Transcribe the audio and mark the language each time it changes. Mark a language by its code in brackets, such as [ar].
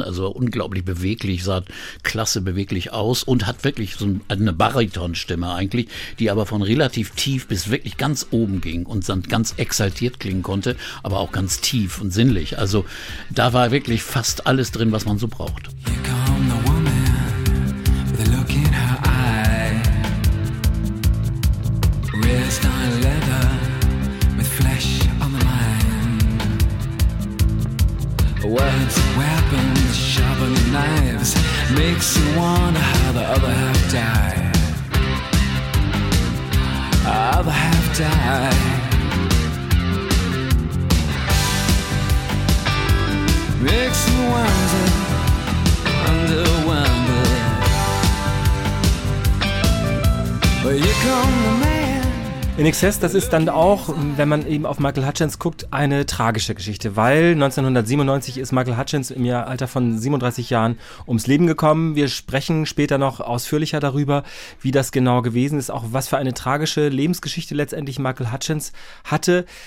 [de] Also unglaublich beweglich, sah klasse beweglich aus und hat wirklich so eine Baritonstimme eigentlich, die aber von relativ tief bis wirklich ganz oben ging und dann ganz exaltiert klingen konnte, aber auch ganz tief und sinnlich. Also da war wirklich fast alles drin, was man so braucht. [en] Here come the woman with a look in her eye. Wrist on leather with flesh on the line. Words, weapons, sharpened knives. Makes you wonder how the other half died. Other half died. Makes me wonder, underwhelmed. But you come to me. [de] In Excess, das ist dann auch, wenn man eben auf Michael Hutchence guckt, eine tragische Geschichte, weil 1997 ist Michael Hutchence im Alter von 37 Jahren ums Leben gekommen. Wir sprechen später noch ausführlicher darüber, wie das genau gewesen ist, auch was für eine tragische Lebensgeschichte letztendlich Michael Hutchence hatte.